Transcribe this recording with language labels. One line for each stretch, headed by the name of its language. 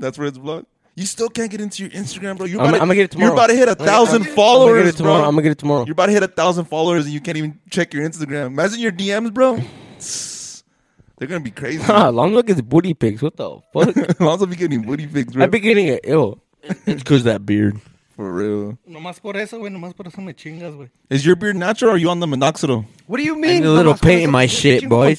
English: That's where it's blocked? You still can't get into your Instagram, bro. I'm going to get it tomorrow. You're about to hit 1,000 followers, I'm gonna get it tomorrow. Bro. I'm going to get it tomorrow. You're about to hit 1,000 followers and you can't even check your Instagram. Imagine your DMs, bro. They're going to be crazy. Lonzo gets booty pics. What the fuck? Lonzo be getting booty pics, bro. I be getting it. Ew. It's because that beard. For real.
Spanish: No más por eso, güey. No más por eso me chingas, güey.
English: Is your beard natural or are you on the minoxidil? What do you mean? I need a little paint in my shit, boys.